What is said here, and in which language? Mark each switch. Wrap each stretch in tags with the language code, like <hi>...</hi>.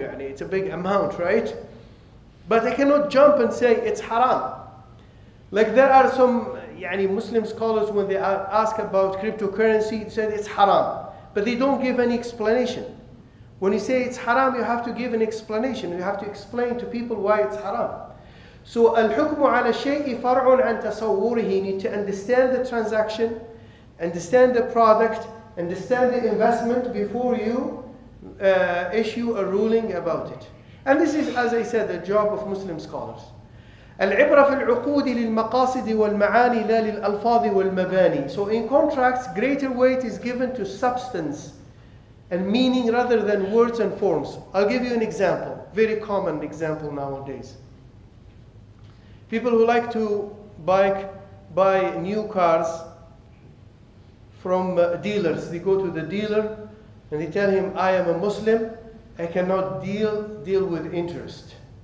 <en>Yani it's a big amount, right? But I cannot jump and say it's haram. Like there are some يعني Muslim scholars, when they ask about cryptocurrency, said it's haram, but they don't give any explanation. When you say it's haram, you have to give an explanation. You have to explain to people why it's haram.</en> <ar>So الحكم على شيء فرع عن تصوره.</ar> <en>You need to understand the transaction, understand the product, understand the investment before you issue a ruling about it. And this is, as I said, the job of Muslim scholars.</en> <ar>العبرة في العقود للمقاصد والمعاني لا للألفاظ والمباني.</ar> <en>So in contracts, greater weight is given to substance and meaning rather than words and forms. I'll give you an example, very common example nowadays. People who like to buy new cars from dealers, they go to the dealer and they tell him, I am a Muslim, I cannot deal with interest.</en>